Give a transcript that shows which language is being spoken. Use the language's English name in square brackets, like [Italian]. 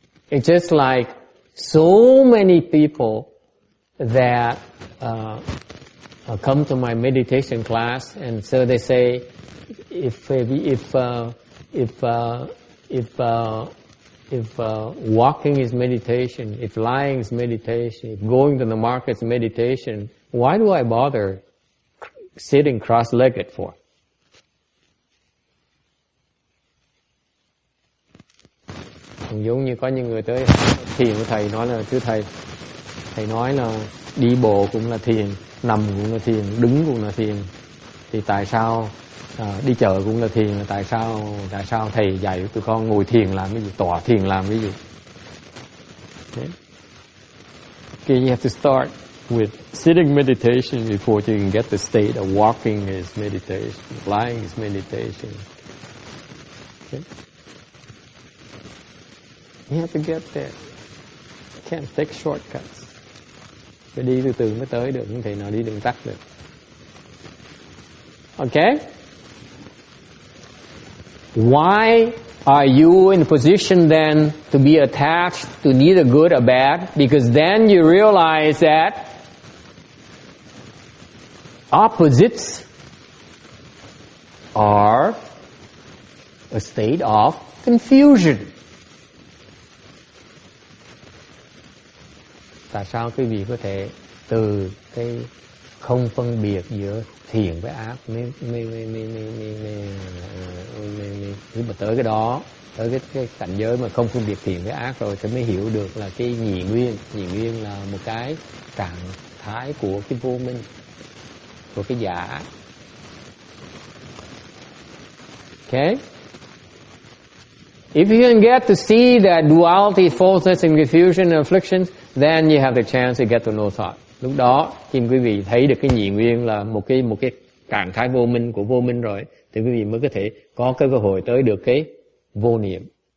[English] It's just like so many people that come to my meditation class, and so they say, if walking is meditation, if lying is meditation, if going to the market is meditation, why do I bother sitting cross-legged for? [Vietnamese] Giống như có những người tới thiền của thầy nói là chứ thầy nói là đi bộ cũng là thiền, nằm cũng là thiền, đứng cũng là thiền, thì tại sao đi chợ cũng là thiền, tại sao thầy dạy tụi con ngồi thiền làm cái gì, tọa thiền làm cái gì? [English] Okay, you have to start with sitting meditation before you can get the state of walking is meditation, lying is meditation. Okay. You have to get there. You can't take shortcuts. [Vietnamese] Phải đi từ từ mới tới được, không thể nào đi đường tắt được. [English] Okay? Why are you in a position then to be attached to neither good or bad? Because then you realize that opposites are a state of confusion. [Vietnamese] Tại sao quý vị có thể từ cái không phân biệt giữa thiện với ác mới tới cái đó, tới cái cảnh giới mà không phân biệt thiện với ác rồi thì mới hiểu được là cái nhị nguyên là một cái trạng thái của cái vô minh, của cái giả. [English] Okay. If you can get to see that duality, falseness and confusion and afflictions, then you have the chance to get to no thought. [Vietnamese] Lúc đó, khi quý vị thấy được cái nhị nguyên là một cái trạng thái vô minh của vô minh rồi, thì quý vị mới có thể có cái cơ hội tới được cái vô niệm.